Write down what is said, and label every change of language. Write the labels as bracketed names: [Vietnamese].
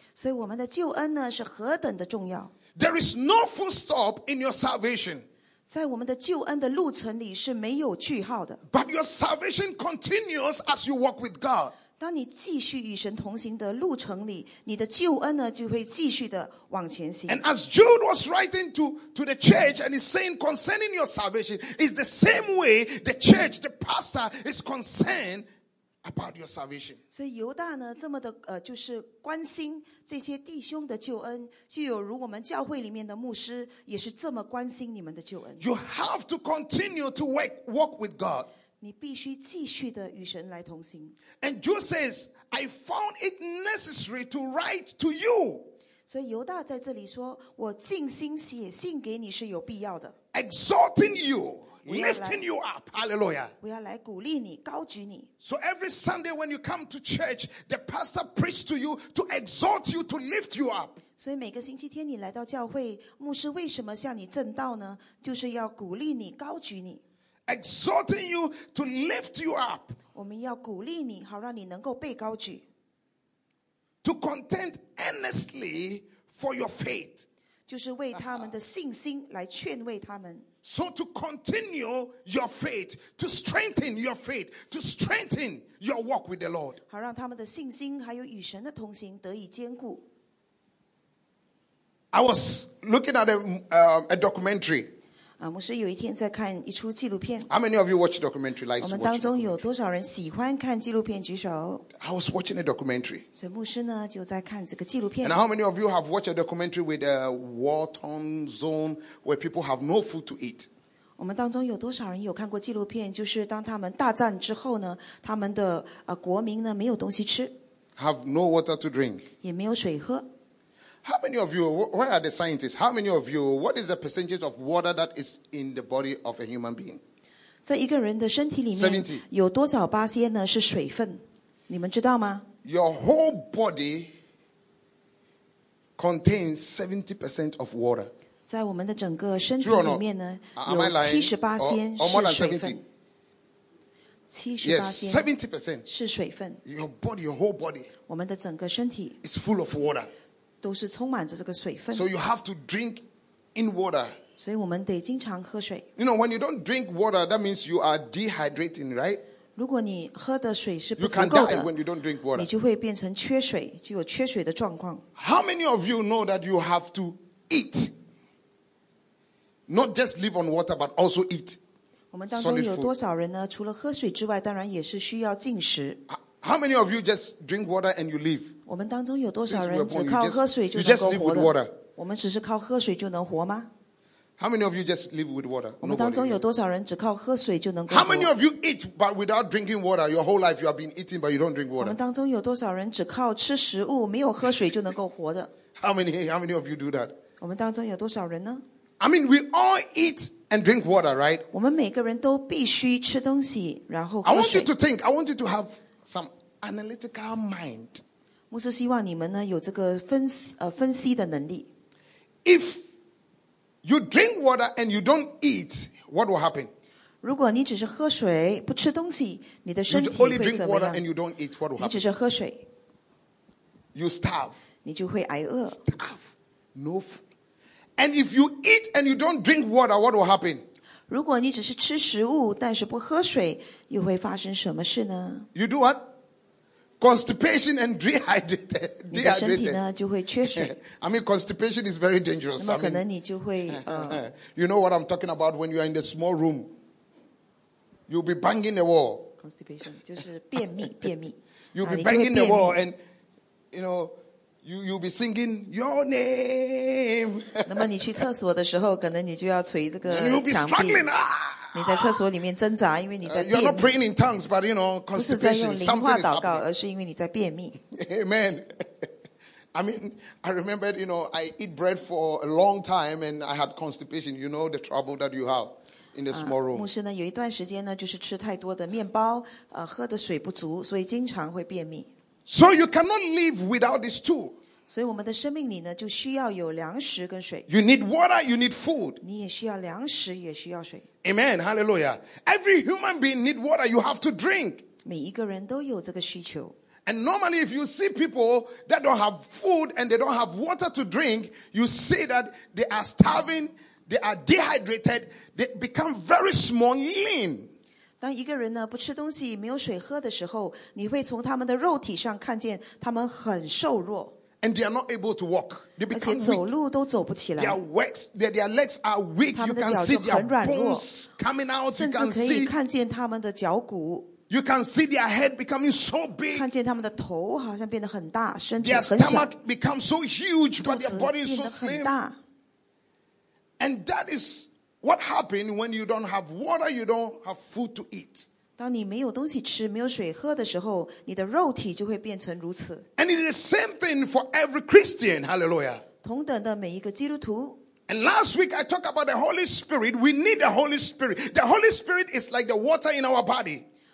[Chinese] 所以我们的救恩呢是何等的重要。 [English] There is no full stop in your salvation. [Chinese] 在我们的救恩的路程里是没有句号的。 [English] But your salvation continues as you walk with God. [Chinese] 当你继续与神同行的路程里，你的救恩呢就会继续的往前行。 [English] And as Jude was writing to the church and is saying concerning your salvation, is the same way the church, the pastor is concerned. About your salvation. [Chinese] 所以犹大呢，这么的就是关心这些弟兄的救恩，就有如我们教会里面的牧师也是这么关心你们的救恩。 [English] You have to continue to walk with God. [Chinese] 你必须继续的与神来同行。 [English] And Jude says, I found it necessary to write to you. [Chinese] 所以犹大在这里说，我尽心写信给你是有必要的。 [English] Exhorting you. Lifting you up, hallelujah. [Chinese] 我要来鼓励你，高举你。 [English] So every Sunday when you come to church, the pastor preaches to you to exhort you to lift you up. [Chinese] 所以每个星期天你来到教会，牧师为什么向你证道呢？就是要鼓励你，高举你。 [English] Exhorting you to lift you up. [Chinese] 我们要鼓励你，好让你能够被高举。 [English] To contend earnestly for your faith. [Chinese] 就是为他们的信心来劝慰他们。 [English] So to continue your faith, to strengthen your faith, to strengthen your walk with the Lord. [Chinese] 好让他们的信心还有与神的同行得以坚固。 [English] I was looking at a documentary. [Chinese] 牧师有一天在看一出纪录片。 [English] How many of you watch documentary? Like [Chinese] 我们当中有多少人喜欢看纪录片？举手。 [English] I was watching a documentary. [Chinese] 所以牧师呢就在看这个纪录片。 [English] And how many of you have watched a documentary with a war-torn zone where people have no food to eat? [Chinese] 我们当中有多少人有看过纪录片？就是当他们大战之后呢，他们的国民呢没有东西吃。 [English] Have no water to drink. [Chinese] 也没有水喝。 [English] How many of you, where are the scientists? How many of you, what is the percentage of water that is in the body of a human being? [Chinese] 在一个人的身体里面有多少巴仙呢是水分你们知道吗 [English] Your whole body contains 70% of water. [Chinese] 在我们的整个身体里面呢有70巴仙是水分。 [English] Yes, 70% [Chinese] 是水分。 [English] Your body, your whole body [Chinese] 我们的整个身体 [English] is full of water. [Chinese] 都是充满着这个水分。 [English] So you have to drink in water. [Chinese] 所以我们得经常喝水。 [English] You know, when you don't drink water, that means you are dehydrating, right? [Chinese] 如果你喝的水是不足够的。 [English] You can die when you don't drink water. [Chinese] 你就会变成缺水，就有缺水的状况。 [English] How many of you know that you have to eat? Not just live on water, but also eat. [Chinese] 我们当中有多少人呢？除了喝水之外，当然也是需要进食。 [English] How many of you just drink water and you live? [Chinese] 我们当中有多少人只靠喝水就能够活的 [English] water. [Chinese] 我们只是靠喝水就能活吗 [English] How many of you just live with water? [Chinese] 我们当中有多少人只靠喝水就能够活 [English] How many of you eat but without drinking water? Your whole life you have been eating but you don't drink water. [Chinese] 我们当中有多少人只靠吃食物没有喝水就能够活的 [English] How many of you do that? [Chinese] 我们当中有多少人呢 [English] I mean we all eat. And drink water, right? [Chinese] 我们每个人都必须吃东西，然后喝水。 [English] I want you to think. I want you to have some analytical mind. [Chinese] 牧师希望你们呢有这个分析的能力。 [English] If you drink water and you don't eat, what will happen? [Chinese] 如果你只是喝水不吃东西，你的身体会怎么样？ [English] You only drink water and you don't eat. What will happen? [Chinese] 你只是喝水 [English] ，You starve. [Chinese] 你就会挨饿。 [English] Starve, no food. And if you eat and you don't drink water, what will happen? [Chinese] 如果你只是吃食物但是不喝水，又会发生什么事呢？ [English] You do what? Constipation and dehydrated. [Chinese] 你的身体呢就会缺水。 [English] I mean, constipation is very dangerous. [Chinese] 那么可能你就会 [English] You know what I'm talking about when you are in the small room. You'll be banging the wall. [Chinese] Constipation 就是便秘，便秘。 [English] You'll be banging the wall and, you know,You'll be singing your name. [Chinese] 那么你去厕所的时候，可能你就要捶这个墙壁。 [English] You'll be struggling. [Chinese] 你在厕所里面挣扎，因为你在便秘。 [English] You're not praying in tongues, but you know constipation. [Chinese] 不是在用灵话祷告，而是因为你在便秘。 [English] Amen. I mean, I remember, you know, I eat bread for a long time, and I had constipation. You know the trouble that you have in the small room. [Chinese] 牧师呢，有一段时间呢，就是吃太多的面包，喝的水不足，所以经常会便秘。 [English] So you cannot live without these two. [Chinese] 所以我们的生命里呢，就需要有粮食跟水。 [English] You need water. You need food. [Chinese] 你也需要粮食，也需要水。 [English] Amen. Hallelujah. Every human being need water. You have to drink. [Chinese] 每一个人都有这个需求。 [English] And normally if you see people that don't have food and they don't have water to drink, you see that they are starving, they are dehydrated, they become very small and lean. [Chinese] 当一个人呢不吃东西没有水喝的时候，你会从他们的肉体上看见他们很瘦弱。 [English] And they are not able to walk. They become weak. [Chinese] 而且走路都走不起来。 [English] Their legs are weak. You can see their bones coming out. [Chinese] 甚至可以看见他们的脚骨。 [English] You can see their head becoming so big. [Chinese] 看见他们的头好像变得很大，身体很小。 [English] Their stomach becomes so huge, but their body is so slim. And that is what happens when you don't have water, you don't have food to eat. [Chinese] 当你没有东西吃，没有水喝的时候，你的肉体就会变成如此。 [English] And it is the same thing for every Christian. Hallelujah. [Chinese] 同等的每一个基督徒。 [English] And last week I talked about the Holy Spirit. We need the Holy Spirit. The Holy Spirit is like the water in our body.